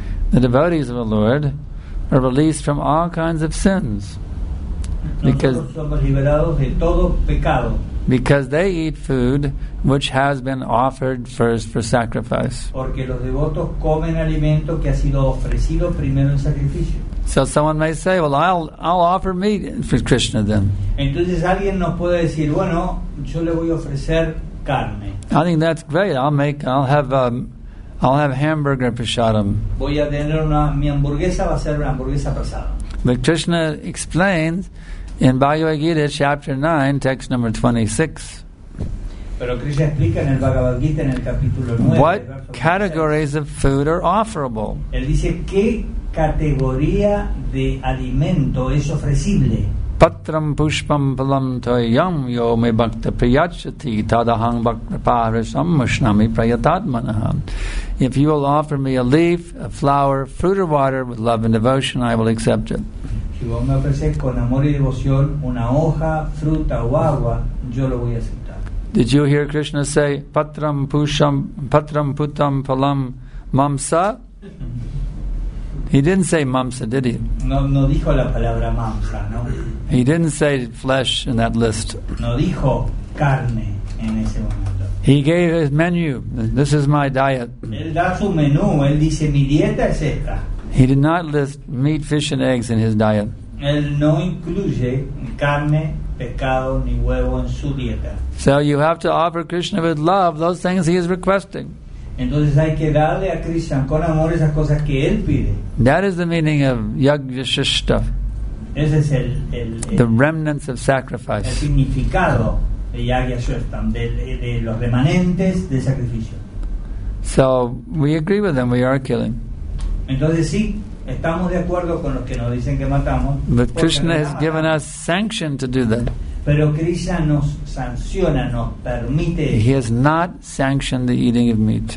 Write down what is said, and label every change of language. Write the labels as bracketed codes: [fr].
[en] The devotees of the Lord are released from all kinds of sins because they eat food which has been offered first for sacrifice. [es] Porque los devotos comen alimento que ha sido ofrecido primero en sacrificio. [en] So someone may say, well, I'll offer meat for Krishna then. [es] Entonces alguien nos puede decir, bueno, yo le voy a ofrecer carne. [en] I think that's great. I'll have hamburger prasadam. [es] Voy a tener mi hamburguesa va a ser una hamburguesa prasada. [en] But Krishna explains in Bhagavad Gita chapter 9, text number 26. [es] Pero Krishna explica en el Bhagavad Gita en el capítulo 9. [en] What categories of food are offerable? [es] Él dice qué categoría de alimento es ofrecible. [sa] Patram pushpam palam toyam yo me bhakta priyachati tadahang bhakta parasam mushnami prayatatmanaha. [en] If you will offer me a leaf, a flower, fruit or water with love and devotion, I will accept it. [es] Si vos me ofreces con amor y devoción una hoja, fruta o agua, yo lo voy a aceptar. [en] Did you hear Krishna say, [sa] patram pusham, patram putam palam mamsa? [en] He didn't say mamsa, did he? [es] No dijo la palabra mamsa, no? [en] He didn't say flesh in that list. [es] No dijo carne en ese momento. [en] He gave his menu. This is my diet. [es] Él da su menú. Él dice, mi dieta es esta. [en] He did not list meat, fish, and eggs in his diet. [es] Él no incluye carne, pescado, ni huevo en su dieta. [en] So you have to offer Krishna with love those things he is requesting. [es] Entonces hay que darle a Krishna con amor esas cosas que él pide. [en] That is the meaning of yagvishishta. [es] Ese es el [en] the remnants of sacrifice. [es] El significado de yagvishishta, de los remanentes de sacrificio. [en] So we agree with them. We are killing. [es] Entonces sí, estamos de acuerdo con los que nos dicen que matamos. [en] But Krishna has given us sanction to do that. [es] Pero Krishna nos sanciona, nos permite. [en] He has not sanctioned the eating of meat.